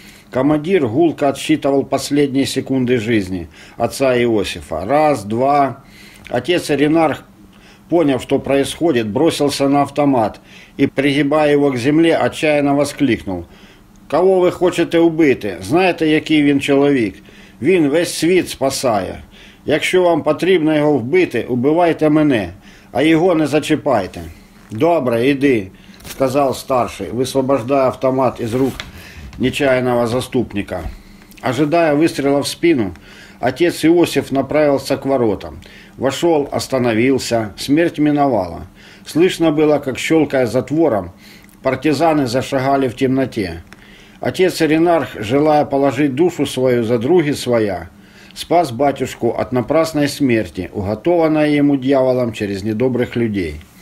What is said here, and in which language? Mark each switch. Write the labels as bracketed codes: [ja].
[ru] Командир гулко отсчитывал последние секунды жизни отца Иосифа. Раз, два. Отец Иринарх, поняв, что происходит, бросился на автомат и, пригибая его к земле, отчаянно воскликнул: [uk] «Кого вы хочете убити? Знаете, який він чоловік? Він весь світ спасає. Якщо вам потрібно його вбити, убивайте мене, а його не зачіпайте». «Добре, іди», – сказав старший, висвобождая автомат із рук нечаянного заступника. [ru] Ожидая выстрела в спину, отец Иосиф направился к воротам. Вошел, остановился. Смерть миновала. Слышно было, как, щелкая затвором, партизаны зашагали в темноте. Отец Иринарх, желая положить душу свою за други своя, спас батюшку от напрасной смерти, уготованной ему дьяволом через недобрых людей.